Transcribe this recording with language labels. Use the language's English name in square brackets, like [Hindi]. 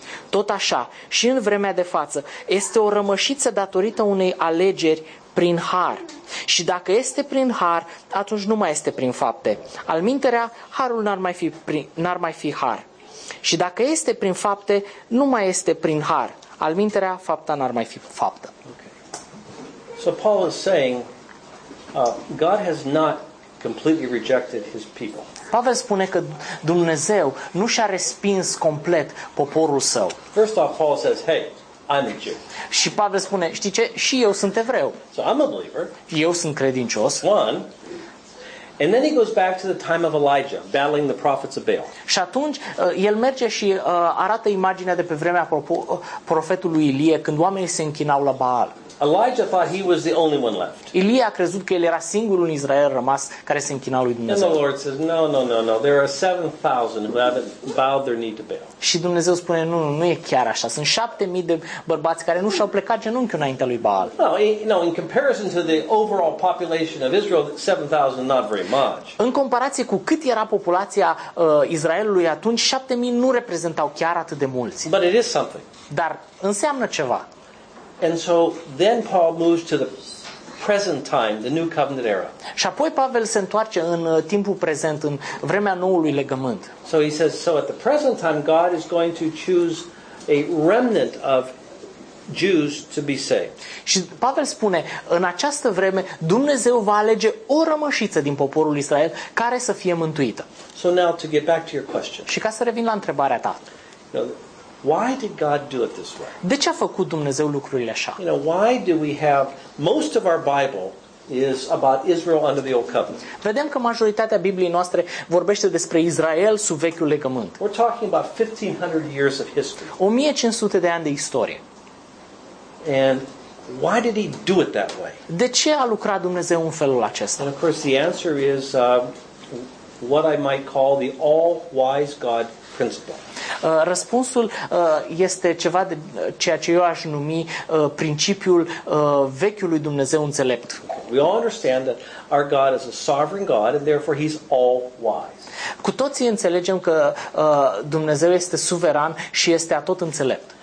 [Romanian] Tot așa, și în vremea de față, este o rămășiță datorită unei alegeri prin har. Și dacă este prin har, atunci nu mai este prin fapte. Alminterea, harul n-ar mai fi har. Și dacă este prin fapte, nu mai este prin har. Alminterea, fapta n-ar mai fi faptă. [English] Okay. So Paul is saying, God has not completely rejected his people. [Romanian] Pavel spune că Dumnezeu nu și-a respins complet poporul său. [English] First off, Paul says, "Hey, I'm a Jew." [Romanian] Și Pavel spune, știi ce? Și eu sunt evreu. [English] So I'm a believer. [Romanian] Eu sunt credincios. [English] One. And then he goes back to the time of Elijah, battling the prophets of Baal. [Romanian] Și atunci el merge și arată imaginea de pe vremea profetului Ilie când oamenii se închinau la Baal. [English] Elijah thought he was the only one left. [Romanian] Ilie a crezut că el era singurul în Israel rămas care se închina lui Dumnezeu. [English] And the Lord says, no, there are 7,000 who haven't bowed their knee to Baal. [Romanian] Și Dumnezeu spune, nu e chiar așa. Sunt 7,000 de bărbați care nu și-au plecat genunchiul înaintea lui Baal. [English] No, in comparison to the overall population of Israel, 7,000 not very much. [Romanian] În comparație cu cât era populația Israelului atunci, 7,000 nu reprezentau chiar atât de mulți. [English] But it is something. [Romanian] Dar înseamnă ceva. [English] And so then Paul moves to the present time, the new covenant era. [Romanian] Și apoi Pavel se întoarce în timpul prezent, în vremea noului legământ. [English] So he says, so at the present time God is going to choose a remnant of Jews to be saved. [Romanian] Și Pavel spune, în această vreme Dumnezeu va alege o rămășiță din poporul Israel care să fie mântuită. [English] So now to get back to your question. [Romanian] Și ca să revin la întrebarea ta. [English] Why did God do it this way? [Romanian] De ce a făcut Dumnezeu lucrurile așa? [English] You know, why do we have most of our Bible is about Israel under the old covenant? [Romanian] Vedem că majoritatea Bibliei noastre vorbește despre Israel sub vechiul legământ. [English] We're talking about 1500 years of history. [Romanian] 1500 de ani de istorie. [English] And why did he do it that way? [Romanian] De ce a lucrat Dumnezeu în felul acesta? [English] And of course the answer is what I might call the all-wise God principle. [Romanian] Răspunsul este ceva de ceea ce eu aș numi principiul vechiului Dumnezeu înțelept. [English] We all understand that our God is a sovereign God and therefore he's all wise. [Romanian] Cu toții înțelegem că Dumnezeu este suveran și este atot înțelept.